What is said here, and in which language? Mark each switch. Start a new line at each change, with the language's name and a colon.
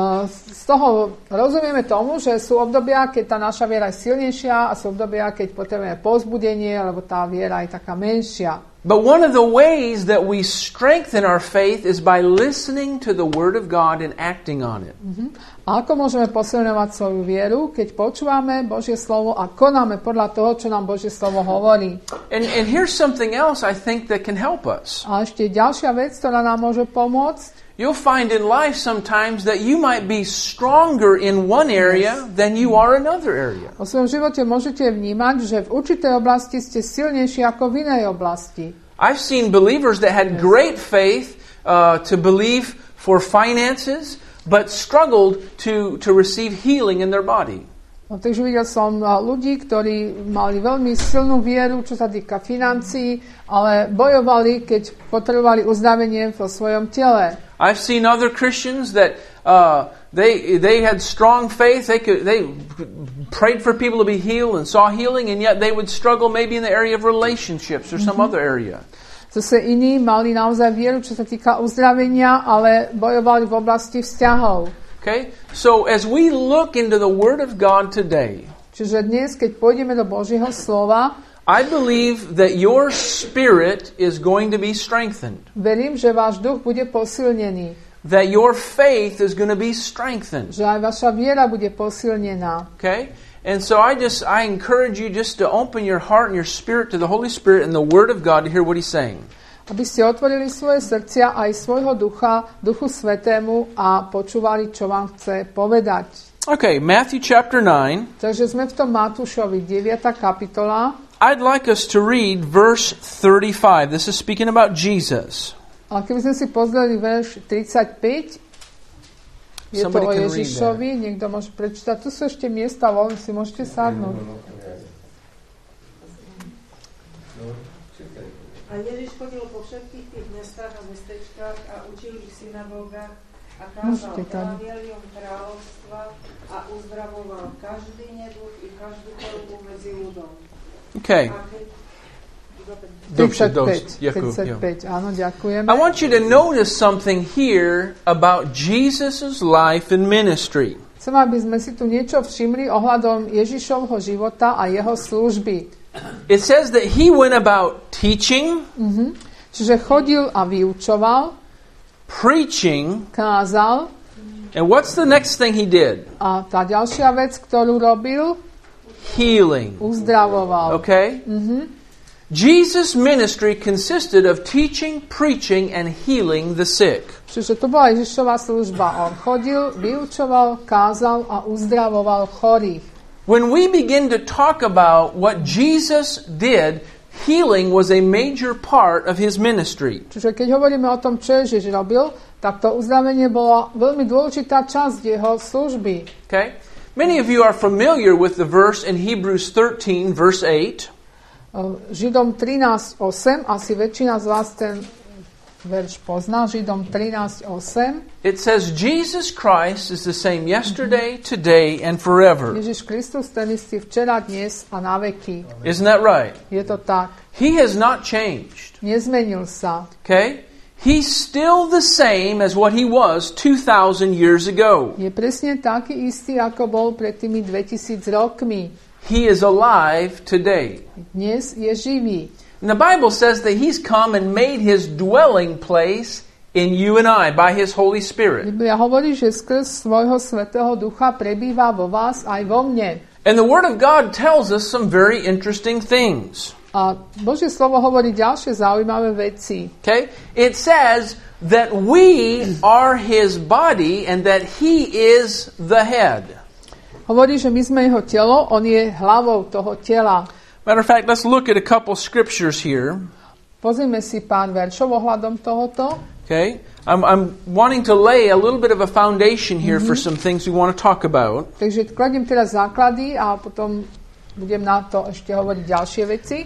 Slovak: Z toho rozumieme tomu, že sú obdobia, keď tá naša viera je silnejšia a sú obdobia, keď potrebujeme povzbudenie, alebo tá viera je taká menšia.
English: But one of the ways that we strengthen our faith is by listening to the word of God and acting on it.
Slovak: Ako môžeme posilňovať svoju vieru, keď počúvame Božie slovo a konáme podľa toho, čo nám Božie slovo hovorí?
English: And here's something else I think that can help us.
Slovak: A ešte ďalšia vec, ktorá nám môže pomôcť.
English: You'll find in life sometimes that you might be stronger in one area than you are another area.
Slovak: Vo svojom živote môžete vnímať, že v určitej oblasti ste silnejší ako v inej oblasti.
English: I've seen believers that had great faith to believe for finances, but struggled to receive healing in their body.
Slovak: Takže videl som ľudí, ktorí mali veľmi silnú vieru, čo sa týka financií, ale bojovali, keď potrebovali uzdravenie vo svojom tele.
English: I've seen other Christians that they had strong faith, they prayed for people to be healed and saw healing, and yet they would struggle maybe in the area of relationships or some other area.
Slovak: Zase iní mali naozaj vieru, čo sa týka uzdravenia, ale bojovali v oblasti vzťahov.
English: Okay? So as we look into the word of God today,
Slovak: čiže dnes, keď pôjdeme do Božieho slova,
English: I believe that your spirit is going to be strengthened.
Slovak: Verím, že váš duch bude posilnený.
English: That your faith is going to be strengthened.
Slovak: Že aj vaša viera bude posilnená.
English: Okay? And so I encourage you just to open your heart and your spirit to the Holy Spirit and the Word of God to hear what He's saying.
Slovak: Aby ste otvorili svoje srdcia aj svojho ducha, Duchu Svätému a počúvali, čo vám chce povedať.
English: Okay, Matthew chapter 9.
Slovak: Takže sme v tom Matúšovi, 9. kapitola.
English: I'd like us to read verse 35. This is speaking about Jesus.
Slovak: A keby sme si pozreli verš 35, je
English: somebody
Slovak: to o Ježišovi. Niekto môže prečítať. Tu sú ešte miesta, voľne si môžete sadnúť. A Ježiš chodil po všetkých tých mestách a mestečkách a učil ich synagógach a kázal evanjelium kráľovstva a uzdravoval každý neduch i každú chorobu medzi ľuďom.
English: Okay.
Slovak: Dobre, 35. Áno, ďakujem.
English: I want you to notice something here about Jesus's life and ministry.
Slovak: Chcem, aby sme si tu niečo všimli ohľadom Ježišovho života a jeho služby.
English: It says that he went about teaching.
Slovak: Mm-hmm. Čiže chodil a vyučoval.
English: Preaching.
Slovak: Kázal.
English: And what's the next thing he did?
Slovak: A tá ďalšia vec, ktorú robil?
English: Healing.
Slovak: Uzdravoval.
English: Okay? Mm-hmm. Jesus' ministry consisted of teaching, preaching and healing the sick.
Slovak: Čiže to bola Ježišova služba. On chodil, vyučoval, kázal a uzdravoval chorých.
English: When we begin to talk about what Jesus did, healing was a major part of his ministry.
Slovak: Čiže keď hovoríme o tom, čo Ježiš robil, tak to uzdravenie bola veľmi dôležitá časť jeho služby.
English: Okay? Many of you are familiar with the verse in Hebrews 13, verse 8.
Slovak: Židom 13:8, asi väčšina z vás ten verš pozná, Židom 13:8.
English: It says Jesus Christ is the same yesterday, today and forever.
Slovak: Ježiš Kristus ten istý včera, dnes a na veky.
English: Isn't that right?
Slovak: Je to tak.
English: He has not changed.
Slovak: Nezmenil sa.
English: Okay? He's still the same as what he was 2000 years ago.
Slovak: Je presne taký istý ako bol pred tými 2000 rokmi.
English: He is alive today.
Slovak: Dnes je živý.
English: And the Bible says that he's come and made his dwelling place in you and I by his Holy Spirit.
Slovak: Biblia hovorí, že skrz svojho svätého ducha prebýva vo vás aj vo mne.
English: And the word of God tells us some very interesting things.
Slovak: A Božie slovo hovorí ďalšie zaujímavé veci.
English: Okay? It says that we are his body and that he is the head.
Slovak: Hovorí, že my sme jeho telo, on je hlavou toho tela.
English: Matter of fact, let's look at a couple scriptures here.
Slovak: Pozrime si pár veršov ohľadom tohoto.
English: Okay. I'm wanting to lay a little bit of a foundation here for some things we want to talk about.
Slovak: Takže kladiem teraz základy a potom budem na to ešte hovoriť ďalšie veci.